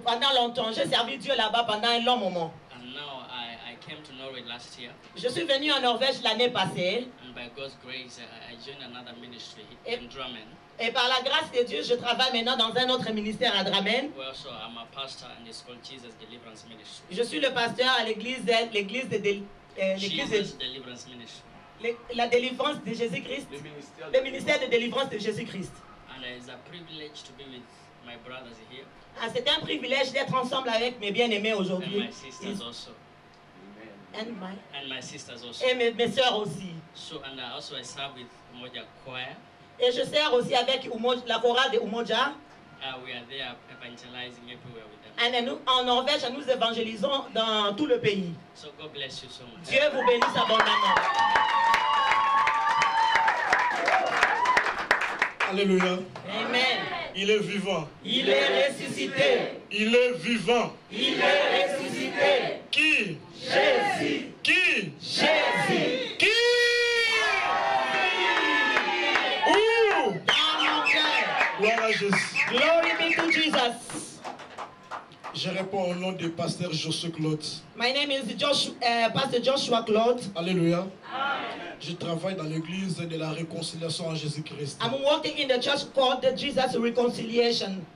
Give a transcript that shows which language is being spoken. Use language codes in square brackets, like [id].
[fr] Pendant longtemps, j'ai servi Dieu là-bas pendant un long moment. [en] And now I came to Norway last year. [fr] Je suis venu en Norvège l'année passée. [en] And by God's grace, I joined another ministry in Drammen. [fr] Et par la grâce de Dieu, je travaille maintenant dans un autre ministère à Drammen. [en] Well, so I'm a pastor and it's called Jesus Deliverance Ministry. [fr] Je suis le pasteur à l'église [en] Jesus Deliverance Ministry. [fr] La délivrance de Jésus-Christ. Le ministère de délivrance de Jésus-Christ. [en] And it's a privilege to be with my brothers here. [fr] Ah, c'est un privilège d'être ensemble avec mes bien-aimés aujourd'hui. [en] And my sisters also. Amen. And my sisters also. [fr] Et mes sœurs aussi. [en] So and also I serve with Umoja Choir. [fr] Et je sers aussi avec la chorale de Umoja. [en] We are there evangelizing everywhere with them. [fr] And nous, en Norvège, nous évangélisons dans tout le pays. [en] So God bless you so much. [fr] Dieu vous bénisse abondamment. Alléluia. Amen. Il est vivant. Il est ressuscité. Il est vivant. Il est ressuscité. Qui? Jésus. Qui? Jésus. Qui? Jésus. Où? Dans mon cœur. Gloire à Jésus. [en] Glory be to Jesus. [fr] Je réponds au nom de Pasteur Joshua Claude. [en] My name is Pasteur Joshua Claude. [fr] Alléluia. Amen. Je travaille dans l'église de la réconciliation en Jésus-Christ. [en] I'm working in the church called the Jesus Reconciliation.